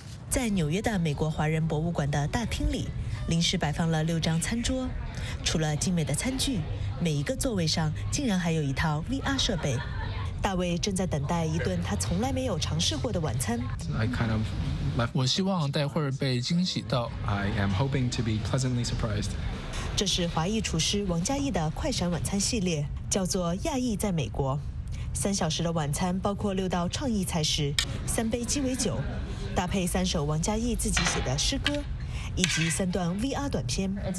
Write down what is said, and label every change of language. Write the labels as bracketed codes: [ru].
[zh] 在纽约的美国华人博物馆的大厅里，临时摆放了六张餐桌，除了精美的餐具，每一个座位上竟然还有一套 VR 设备。大卫正在等待一顿他从来没有尝试过的晚餐。我希望待会儿被惊喜到。 [en] I am hoping to be pleasantly surprised. [zh] 这是华裔厨师王嘉毅的快闪晚餐系列，叫做《亚裔在美国》。三小时的晚餐包括六道创意菜式、三杯鸡尾酒，搭配三首王嘉毅自己写的诗歌，以及三段 VR 短片。